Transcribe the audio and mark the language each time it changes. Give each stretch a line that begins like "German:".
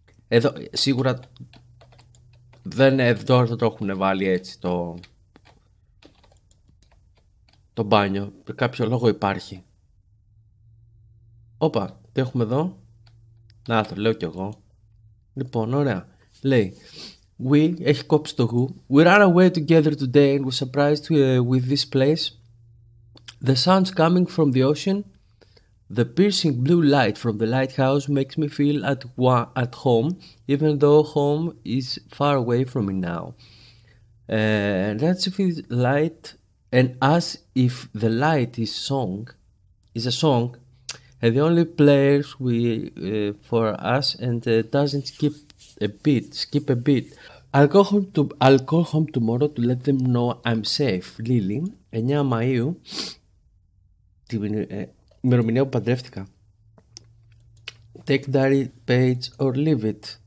Greek: Εδώ σίγουρα δεν εδώ θα το έχουν βάλει έτσι το το μπάνιο, με κάποιο λόγο υπάρχει. Όπα, τι έχουμε εδώ? Να, το λέω κι εγώ. Λοιπόν, ωραία. Λέει, we, έχει κόψει το who.
English: We ran away together today and were surprised with this place. The sounds coming from the ocean. The piercing blue light from the lighthouse makes me feel at home, even though home is far away from me now. Let's see if it's light. And as if the light is song, is a song, and the only players we for us and doesn't skip a beat. I'll call home tomorrow to let them know I'm safe.
Greek: Lily, 9 Μαΐου, την ημερομηνία που παντρεύτηκα.
English: Take diary page or leave it.